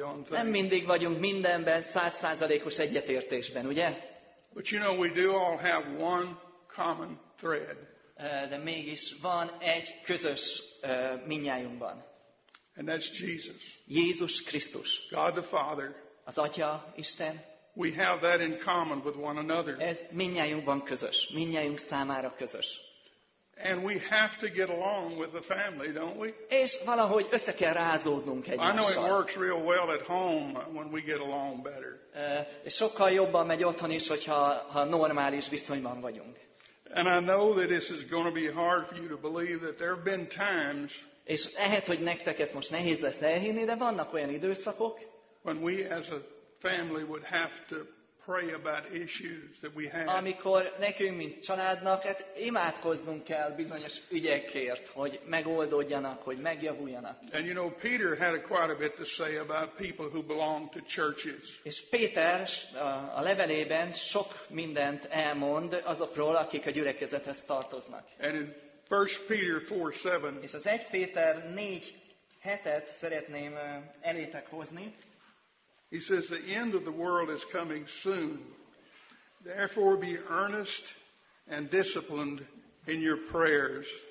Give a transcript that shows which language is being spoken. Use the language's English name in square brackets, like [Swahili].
[Hungarian] Nem mindig vagyunk mindenben 100%-os egyetértésben, ugye? [English] But you know, we do all have one common thread. [Hungarian] De mégis van egy közös minnyájunkban. [English] And that's Jesus. [Hungarian] Jézus Krisztus. [English] God the Father. [Hungarian] Az Atya Isten. [English] We have that in common with one another. [Hungarian] Ez minnyájunkban közös. Minnyájunk számára közös. [English] And we have to get along with the family, don't we? [Hungarian] És valahogy össze kell rázódnunk egymással. [English] I know it works real well at home when we get along better. [Hungarian] És sokkal jobban megy otthon is, hogyha normális viszonyban vagyunk. [English] And I know that this is going to be hard for you to believe that there have been times. [Hungarian] És lehet, hogy nektek ez most nehéz lesz elhinni, de vannak olyan időszakok. [English] When we as a family would have to pray about issues that we have. [Hungarian] Amikor nekünk, mint családnak, hát imádkoznunk kell bizonyos ügyekért, hogy megoldódjanak, hogy megjavuljanak. [English] And you know, Peter had quite a bit to say about people who belong to churches. [Hungarian] És Péter a levelében sok mindent elmond azokról, akik a gyülekezethez tartoznak. [English] And in 1 Peter 4:7. [Hungarian] És az 1 Péter 4:7-et szeretném elétek hozni. [English] He says, the end of the world is coming soon. Therefore, be earnest and disciplined in your prayers.